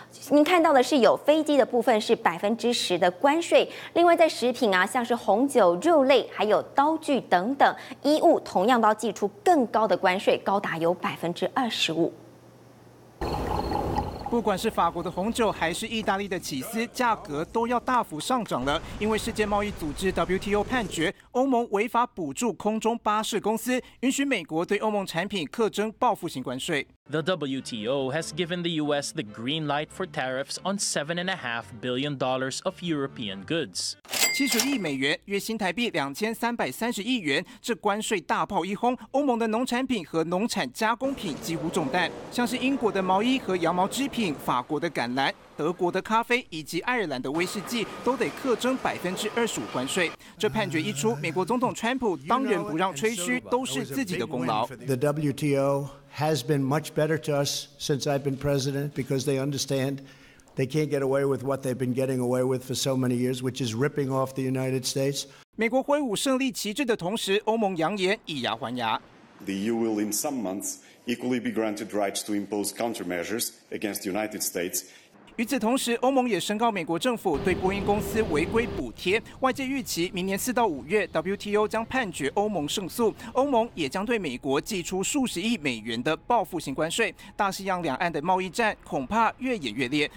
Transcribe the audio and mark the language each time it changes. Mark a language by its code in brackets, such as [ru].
[zh] 您看到的是有飞机的部分是10%的关税，另外在食品啊，像是红酒、肉类还有刀具等等衣物，同样都要祭出更高的关税，高达有25%。不管是法国的红酒还是意大利的起司，价格都要大幅上涨了。因为世界贸易组织 WTO 判决欧盟违法补助空中巴士公司，允许美国对欧盟产品课征报复性关税。 [en] The WTO has given the US the green light for tariffs on $7.5 billion of European goods. [zh] 70亿美元，约新台币2330亿元，这关税大炮一轰，欧盟的农产品和农产加工品几乎中弹，像是英国的毛衣和羊毛织品、法国的橄榄、德国的咖啡以及爱尔兰的威士忌都得课征25%关税。这判决一出，美国总统川普当仁不让吹嘘，都是自己的功劳。 [en] The WTO has been much better to us since I've been president because they understand they can't get away with what they've been getting away with for so many years, which is ripping off the United States. [zh] 美国挥舞胜利旗帜的同时，欧盟扬言以牙还牙。 [en] The EU will in some months equally be granted rights to impose countermeasures against the United States. [zh] 与此同时，欧盟也升高美国政府对波音公司违规补贴。外界预期明年4到5月 ，WTO 将判决欧盟胜诉，欧盟也将对美国寄出数十亿美元的报复性关税。大西洋两岸的贸易战恐怕越演越烈。